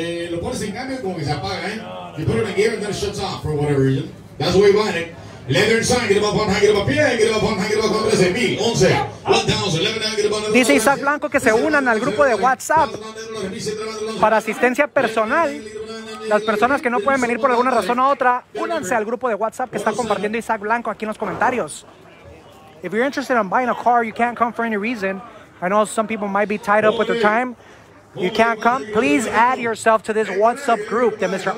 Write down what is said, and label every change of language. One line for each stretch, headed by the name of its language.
Spanish: Lo pones en cambio como que se apaga, ¿eh?
English: You put it in gear and then it shuts off for whatever reason. That's the way you buy it. Leather inside, get about one hang, get about pie, get about one hang, get about 13, 1000, 1000, 1100, get about.
Spanish: Dice Isaac Blanco que se unan al grupo de WhatsApp para asistencia personal. Las personas que no pueden venir por alguna razón u otra, únanse al grupo de WhatsApp que está compartiendo Isaac Blanco aquí en los comentarios.
English: If you're interested in buying a car, you can't come for any reason. I know some people might be tied up with their time. You can't come. Please add yourself to this WhatsApp group that Mr.